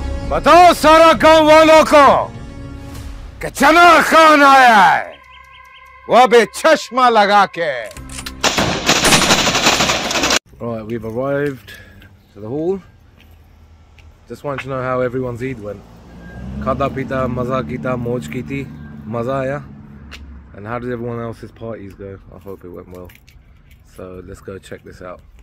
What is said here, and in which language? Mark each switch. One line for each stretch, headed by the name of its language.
Hindi: बताओ सारा गांव वालों को कि चना खान आया है वो भी चश्मा लगा के
English: Right, we've arrived to the hall. Just wanted to know how everyone's Eid went.
Hindi: खाता पीता मजा कीता मौज की थी मजा आया.
English: And how did everyone else's parties go? I hope it went well. So let's go check this out.